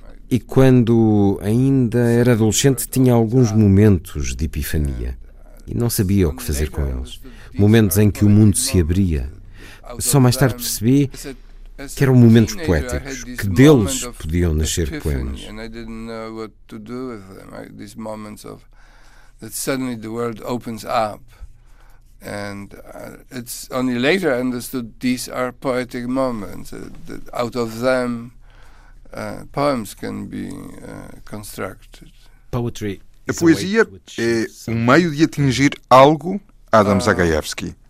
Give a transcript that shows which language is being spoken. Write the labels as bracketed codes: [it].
[pt] E quando ainda era adolescente, tinha alguns momentos de epifania e não sabia o que fazer com eles, momentos em que o mundo se abria. Só mais tarde percebi que eram momentos poéticos, que deles podiam nascer poemas. [en] And I didn't know what to do with them. These moments of that suddenly the world opens up. And it's only later I understood these are poetic moments. That out of them poems can be constructed. Poetry. [pt] A poesia é um meio de atingir algo, Adam Zagajewski.